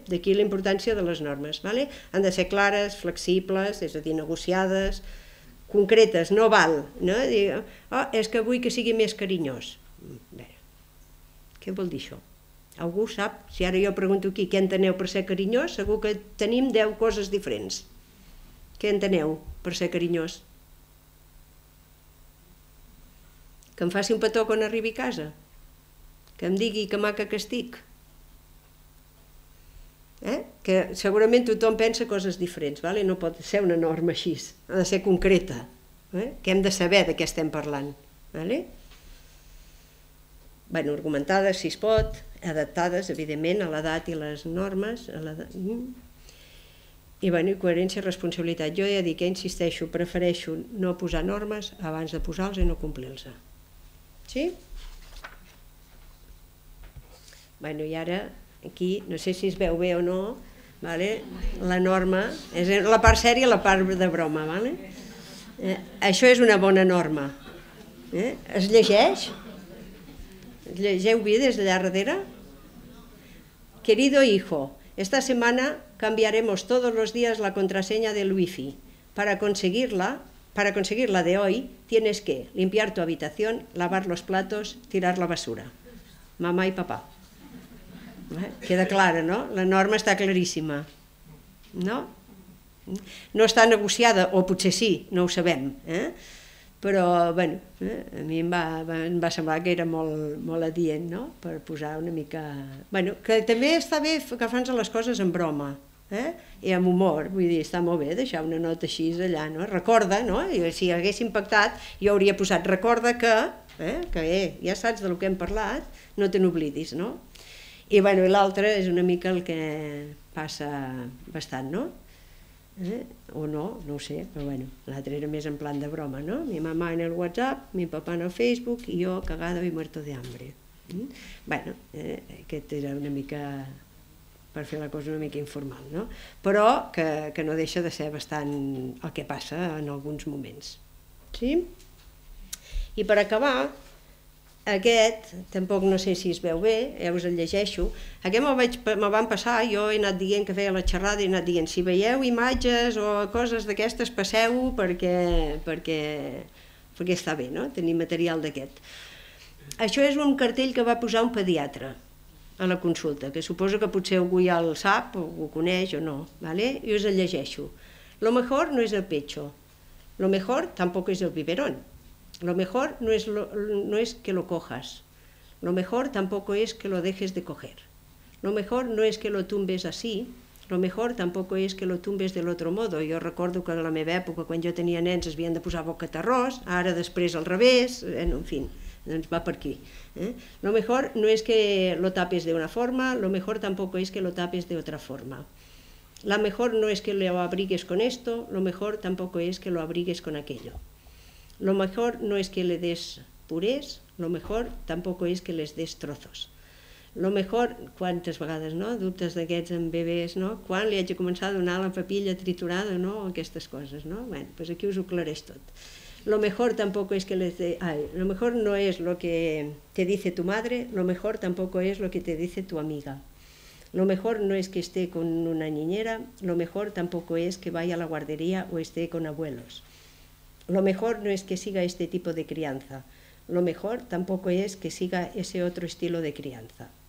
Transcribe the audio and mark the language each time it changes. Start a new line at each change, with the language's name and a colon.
Catalan: D'aquí la importància de les normes. Vale? Han de ser clares, flexibles, és a dir, negociades, concretes, no val. No? Oh, és que vull que sigui més carinyós. Veure, què vol dir això? Algú sap? Si ara jo pregunto aquí què enteneu per ser carinyós, segur que tenim 10 coses diferents. Què enteneu per ser carinyós? Que em faci un petó quan arribi a casa? Que em digui que maca que estic? Que segurament tothom pensa coses diferents, vale? No pot ser una norma així, ha de ser concreta, que hem de saber de què estem parlant, vale? Bueno, argumentades si es pot, adaptades evidentment a l'edat i les normes, i bueno, coherència i responsabilitat. Jo ja dic, insisteixo, prefereixo no posar normes abans de posar-les i no complir-les. Sí? Bueno, i ara aquí, no sé si es veu bé o no, vale? La norma, és la part sèria i la part de broma. Vale? Això és una bona norma. Es llegeix? ¿Llegeu bé des d'allà darrere?
Spanish: Querido hijo, esta semana cambiaremos todos los días la contraseña del wifi. Para conseguirla de hoy, tienes que limpiar tu habitación, lavar los platos, tirar la basura. Mamá y papá. Queda clara, no?
Catalan: La norma està claríssima, no? No està negociada, o potser sí, no ho sabem, però bueno, a mi em va semblar que era molt adient, no? Per posar una mica... Bueno, que també està bé agafar-nos les coses en broma, i amb humor, vull dir, està molt bé deixar una nota així allà, no? Recorda, no? Si hagués impactat, jo hauria posat, recorda que, ja saps del que hem parlat, no te n'oblidis, no? I bueno, l'altre és una mica el que passa bastant, no? O no ho sé, però bueno, l'altre era més en plan de broma, no?
Spanish: Mi mamá en el WhatsApp, mi papá en el Facebook, i jo cagado y muerto de hambre.
Catalan: Bueno, aquest era una mica per fer la cosa una mica informal, no? Però que no deixa de ser bastant el que passa en alguns moments. Sí? I per acabar... Aquest, tampoc no sé si es veu bé, ja us el llegeixo, aquest me'l van passar, jo he anat dient que feia la xerrada i he anat dient si veieu imatges o coses d'aquestes passeu perquè està bé, no? Tenir material d'aquest. Això és un cartell que va posar un pediatre a la consulta, que suposo que potser algú ja el sap o ho coneix o no, ¿vale? I us el llegeixo.
Spanish: Lo mejor no es el pecho, lo mejor tampoco es el biberón. Lo mejor no es que lo cojas, lo mejor tampoco es que lo dejes de coger, lo mejor no es que lo tumbes así, lo mejor tampoco es que lo tumbes del otro modo.
Catalan: Jo recordo que a la meva època, quan jo tenia nens, es havien de posar boca d'arròs, ara després al revés, en fi, doncs va per aquí.
Spanish: Lo mejor no es que lo tapes de una forma, lo mejor tampoco es que lo tapes de otra forma. La mejor no es que lo abrigues con esto, lo mejor tampoco es que lo abrigues con aquello. Lo mejor no es que le des purés, lo mejor tampoco es que les des trozos.
Catalan: lo mejor, quantes vegades, no?, dubtes d'aquests amb bebès, no?, quan li haig de començar a donar la papilla triturada, no?, aquestes coses, no?, bueno, doncs pues aquí us ho aclareix tot.
Spanish: Lo mejor tampoco es que les de... Ay, lo mejor no es lo que te dice tu madre, lo mejor tampoco es lo que te dice tu amiga. Lo mejor no es que esté con una niñera, lo mejor tampoco es que vaya a la guardería o esté con abuelos. Lo mejor no es que siga este tipo de crianza, lo mejor tampoco es que siga ese otro estilo de crianza.